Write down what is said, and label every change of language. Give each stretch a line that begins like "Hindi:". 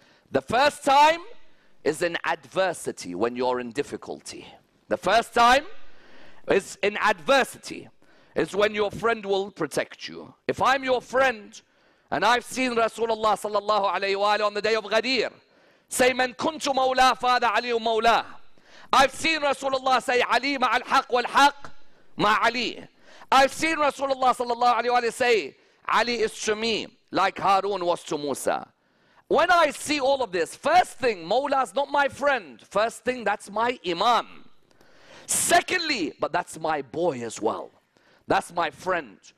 English: The first time is in adversity, when you're in difficulty. The first time is in adversity, is when your friend will protect you. If I'm your friend, and I've seen Rasulullah sallallahu alayhi wa alayhi on the day of Ghadir, say,
Arabic: من كنت مولا فاد علي مولا.
English: I've seen Rasulullah say,
Arabic: علي مع الحق والحق مع علي.
English: I've seen Rasulullah sallallahu alayhi wa alayhi say, Ali is to me, like Harun was to Musa. When I see all of this, first thing, Mawla's not my friend. First thing, that's my imam. Secondly, but that's my boy as well. That's my friend.